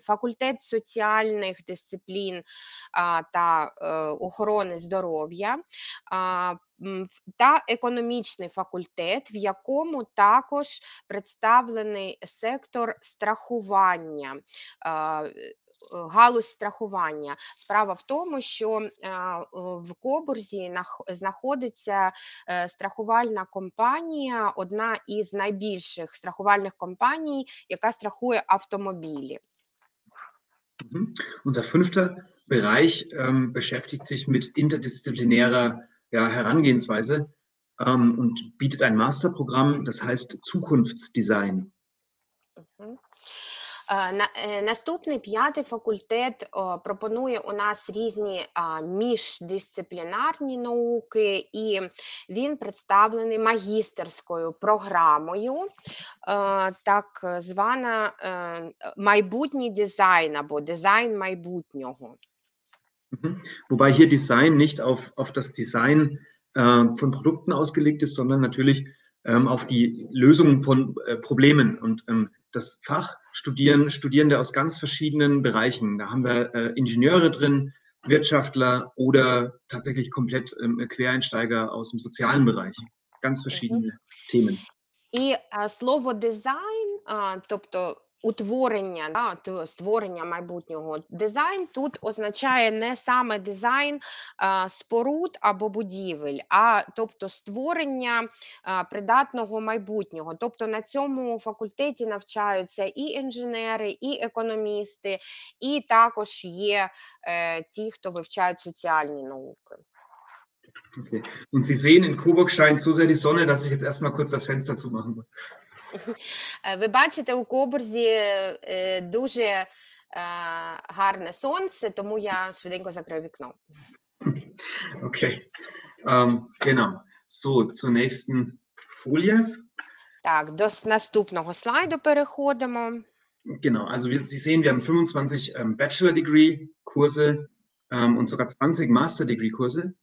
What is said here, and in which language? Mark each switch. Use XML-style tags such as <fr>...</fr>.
<uk>Факультет соціальних дисциплін та охорони здоров'я – та економічний факультет, в якому також представлений сектор страхування, галузь страхування. Справа в тому, що в Кобурзі знаходиться страхувальна компанія, одна із найбільших страхувальних компаній, яка страхує автомобілі.</uk> <de>Unser fünfter Bereich beschäftigt sich mit interdisziplinärer Herangehensweise und bietet ein Masterprogramm, das heißt Zukunftsdesign.</de> <uk>Наступний п'ятий факультет пропонує у нас різні міждисциплінарні науки, і він представлений магістерською програмою, так звана майбутній дизайн або дизайн майбутнього.</uk> <de>Wobei hier Design nicht auf das Design von Produkten ausgelegt ist, sondern natürlich auf die Lösung von Problemen. Und das Fach studieren Studierende aus ganz verschiedenen Bereichen. Da haben wir Ingenieure drin, Wirtschaftler oder tatsächlich komplett Quereinsteiger aus dem sozialen Bereich. Ganz verschiedene Themen.</de> <uk>Слово Design, тобто утворення, створення майбутнього. Дизайн тут означає не саме дизайн споруд або будівель, а тобто створення придатного майбутнього. Тобто на цьому факультеті навчаються і інженери, і економісти, і також є ті, хто вивчають соціальні науки.</uk> <de>Okay. Und Sie sehen, in Coburg scheint so sehr die Sonne, dass ich jetzt erstmal kurz das Fenster zumachen muss.</de> <uk>Ви бачите, у Коборзі дуже гарне сонце, тому я швиденько закрию вікно.</uk> <de>Okay, genau. So, zur nächsten Folie.</de> <uk>Так, до наступного слайду переходимо.</uk> <de>Genau, also Sie sehen, wir haben 25 Bachelor-Degree-Kurse und sogar 20 Master-Degree-Kurse.</de>